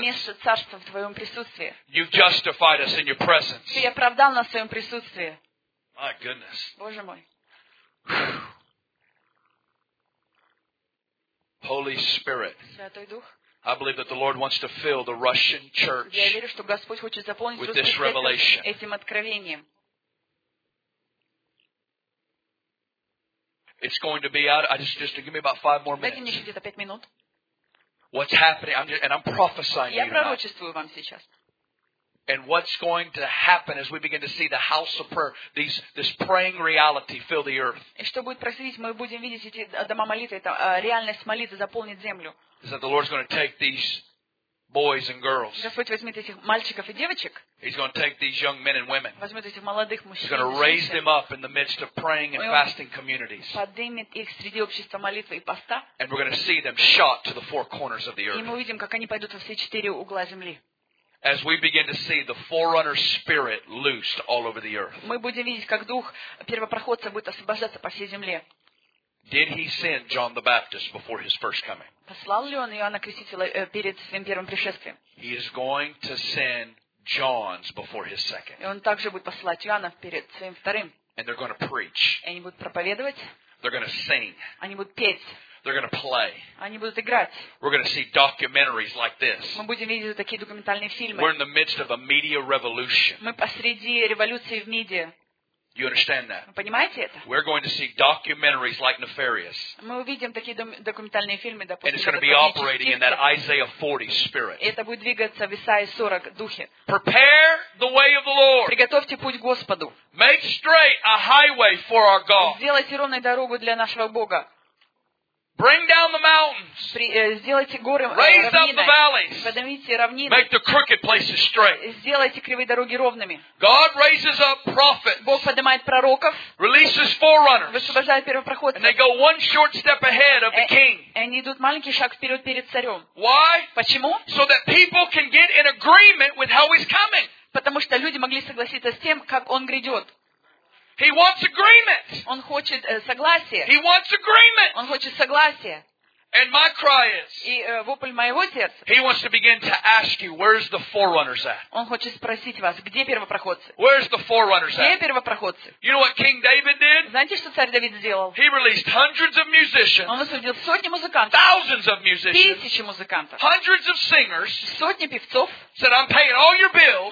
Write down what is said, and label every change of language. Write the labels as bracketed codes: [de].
[ru] Место царства в твоём присутствии. [en] You've justified us in your presence. [ru] Ты оправдал нас в своём присутствии. [en] My goodness. [ru] Боже мой. [en] Holy Spirit. [ru] Святой Дух. [en] I believe that the Lord wants to fill the Russian church. [ru] Я верю, что Господь хочет заполнить русскую церковь этим откровением. [en] It's going to be out. Just give me about 5 more minutes. [ru] Дайте мне где-то 5 минут. [en] What's happening? I'm prophesying to you. [ru] Я пророчествую вам сейчас. [en] And what's going to happen as we begin to see the house of prayer, this praying reality fill the earth? [ru] И что будет происходить? Мы будем видеть эти дома молитвы, это реальность молитвы заполнит землю. [en] Is that the Lord's going to take these boys and girls? [ru] Господь возьмет этих мальчиков и девочек. [en] He's going to take these young men and women. [ru] Возьмет этих молодых мужчин. [en] He's going to raise them up in the midst of praying and fasting communities. [ru] Поднимет их среди общества молитвы и поста. [en] And we're going to see them shot to the four corners of the earth. [ru] И мы увидим, как они пойдут во все четыре угла земли. [en] As we begin to see the forerunner spirit loosed all over the earth. [ru] Мы будем видеть, как дух первопроходца будет освобождаться по всей земле. [en] Did he send John the Baptist before his first coming? [ru] Послал ли он Иоанна Крестителя перед своим первым пришествием? [en] He is going to send John's before his second. [ru] И он также будет посылать Иоанна перед своим вторым. [en] And they're going to preach. [ru] И они будут проповедовать. [en] They're going to sing. [ru] Они будут петь. [en] They're going to play. [ru] Они будут играть. [en] We're going to see documentaries like this. [ru] Мы будем видеть такие документальные фильмы. [en] We're in the midst of a media revolution. [ru] Мы посреди революции в медиа. [en] You understand that? [ru] Вы понимаете это? [en] We're going to see documentaries like Nefarious. [ru] Мы увидим такие документальные фильмы, допустим. [en] And it's going to be operating in that Isaiah 40 spirit. [ru] Это будет двигаться в Исаии 40 духе. [en] Prepare the way of the Lord. [ru] Приготовьте путь Господу. [en] Make straight a highway for our God. [ru] Сделайте ровной дорогу для нашего Бога. [en] Bring down the mountains. [ru] Сделайте горы равниной. [en] Raise up the valleys. [ru] Поднимите равнины. [en] Make the crooked places straight. [ru] Сделайте кривые дороги ровными. [en] God raises up prophets. [ru] Бог поднимает пророков. [en] Releases forerunners. [ru] Высвобождает первопроходцев. [en] And they go one short step ahead of the king. [ru] Они идут маленький шаг вперед перед царем. [en] Why? [ru] Почему? [en] So that people can get in agreement with how he's coming. [ru] Потому что люди могли согласиться с тем, как он грядет. [en] He wants agreement. [ru] Он хочет согласия. [en] He wants agreement. [ru] Он хочет согласия. [en] And my cry is. [ru] И вопль моего сердца. [en] He wants to begin to ask you, where's the forerunners at? [ru] Он хочет спросить вас, где первопроходцы? [en] Where's the forerunners at? [ru] Где первопроходцы? [en] You know what King David did? [ru] Знаете, что царь Давид сделал? [en] He released hundreds of musicians. [ru] Он высвободил сотни музыкантов. [en] Thousands of musicians. [ru] Тысячи музыкантов. [en] Hundreds of singers. [ru] Сотни певцов. [en] Said, I'm paying all your bills.